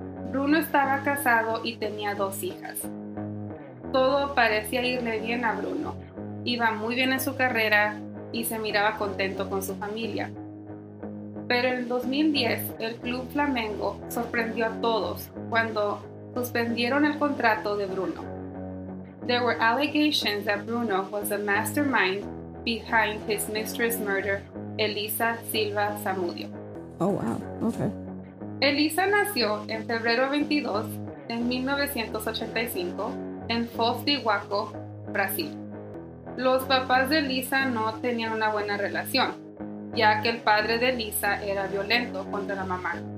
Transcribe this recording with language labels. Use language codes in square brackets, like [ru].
[es] Bruno estaba casado y tenía dos hijas. Todo parecía irle bien a Bruno. Iba muy bien en su carrera y se miraba contento con su familia. Pero en 2010, el club Flamengo sorprendió a todos cuando suspendieron el contrato de Bruno. [en] There were allegations that Bruno was the mastermind behind his mistress' murder, Eliza Silva Samudio. Oh, wow. Okay. [es] Eliza nació en febrero 22, en 1985, en Foz de Iguaco, Brasil. Los papás de Eliza no tenían una buena relación, ya que el padre de Eliza era violento contra la mamá.